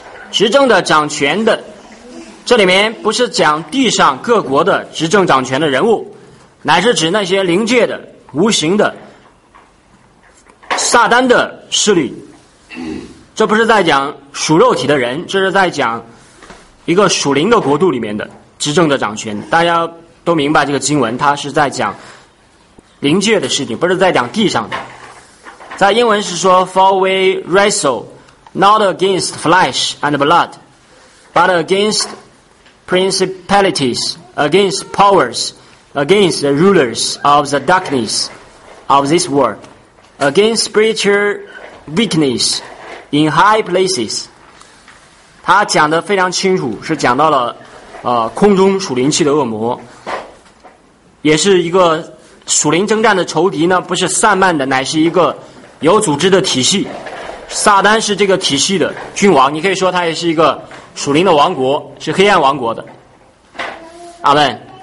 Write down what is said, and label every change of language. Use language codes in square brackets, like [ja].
[zh] 执政的、掌权的，这里面不是讲地上各国的执政掌权的人物，乃是指那些灵界的、无形的、撒旦的势力。这不是在讲属肉体的人，这是在讲一个属灵的国度里面的执政的掌权。大家都明白这个经文，它是在讲灵界的事情，不是在讲地上的。在英文是说 [en] For we wrestle not against flesh and blood, but against principalities, against powers, against the rulers of the darkness of this world, against spiritual wickedness in high places. [zh] 他讲的非常清楚，是讲到了空中属灵气的恶魔，也是一个属灵征战的仇敌呢，不是散漫的，乃是一个有组织的体系。撒旦是这个体系的君王，你可以说他也是一个属灵的王国，是黑暗王国的。阿们。